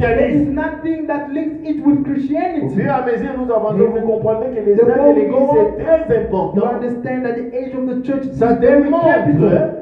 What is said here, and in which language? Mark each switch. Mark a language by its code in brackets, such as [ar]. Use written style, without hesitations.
[en] There is nothing that links it with Christianity. [fr] Au fur et à mesure, nous avançons, vous comprenez que les âges de l'Église est très important. [en] You understand that the age of the church is very capital.